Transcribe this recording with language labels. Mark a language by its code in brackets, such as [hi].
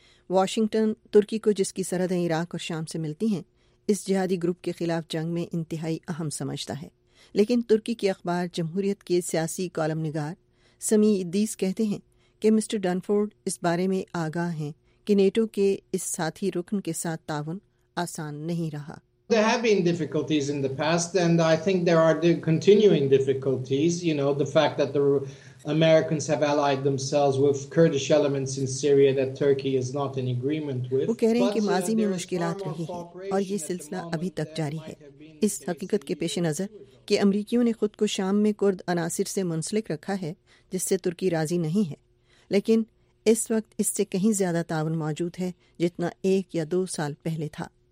[ur] Washington ترکی کو، جس کی سرحدیں عراق اور شام سے ملتی ہیں، اس جہادی گروپ کے خلاف جنگ میں انتہائی اہم سمجھتا ہے. لیکن ترکی کی اخبار جمہوریت کے سیاسی کالم نگار سمی ادیس کہتے ہیں کہ مسٹر ڈنفرڈ اس بارے میں آگاہ ہیں کہ نیٹو کے اس ساتھی رکن کے ساتھ تعاون آسان نہیں رہا. [en] There have been difficulties in the past, and I think there are continuing difficulties. You know, the fact that the Americans have allied themselves with Kurdish elements in Syria that Turkey is not in agreement with. [ur] وہ کہہ رہے ہیں کہ ماضی میں مشکلات رہی ہیں اور یہ سلسلہ ابھی تک جاری ہے. اس حقیقت کے پیش نظر کہ امریکیوں نے خود کو شام میں کرد عناصر سے منسلک رکھا ہے، جس سے ترکی راضی نہیں ہے، لیکن اس وقت اس سے کہیں زیادہ تعاون موجود ہے جتنا ایک یا دو سال پہلے تھا.